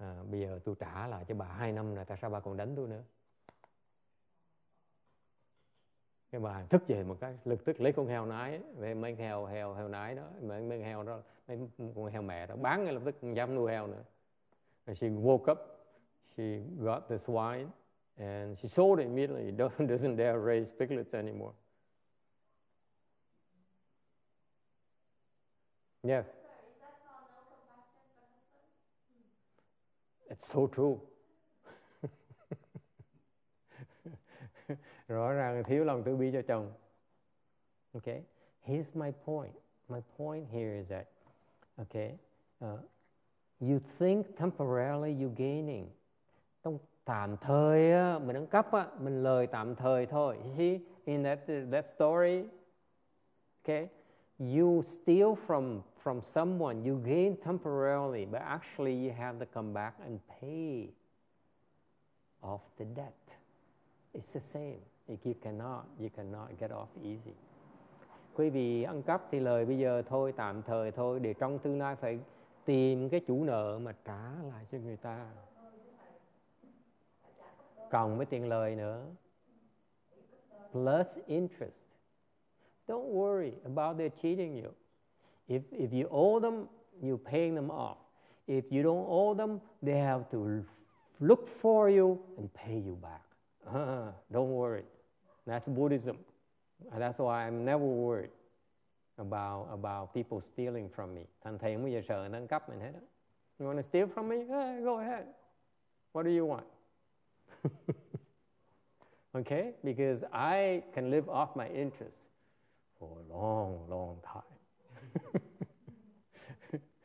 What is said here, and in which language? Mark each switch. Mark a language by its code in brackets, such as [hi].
[vi] Bây giờ tôi trả lại cho bà 2 năm rồi, tại sao bà còn đánh tôi nữa? Cái bà thức dậy một cái, lập tức lấy con heo nái, mấy heo heo heo nái đó, mấy heo đó, mấy con heo mẹ đó, bán ngay lập tức, không dám nuôi heo nữa. [en] And she woke up, she got the swine, and she sold it immediately, doesn't dare raise piglets anymore. Yes. It's so true. [vi] Rõ ràng thiếu lòng từ bi cho chồng. [en] Okay, here's my point. My point here is that, okay, you think temporarily you gaining. [vi] Trong tạm thời á, mình ăn cắp á, mình lời tạm thời thôi. [en] You see, in that story, okay, you steal from someone, you gain temporarily, but actually you have to come back and pay off the debt. It's the same. If you cannot get off easy. [vi] Quý vị ăn cắp thì lời bây giờ thôi, tạm thời thôi, để trong tương lai phải tìm cái chủ nợ mà trả lại cho người ta. Cộng với tiền lời nữa. [en] Plus interest. Don't worry about their cheating you. If you owe them, you're paying them off. If you don't owe them, they have to look for you and pay you back. Don't worry. That's Buddhism. That's why I'm never worried about people stealing from me. [vi] Thành thầy không bao giờ sợ ăn cắp mình hết. [en] You want to steal from me? Hey, go ahead. What do you want? Okay? Because I can live off my interest for a long, long time.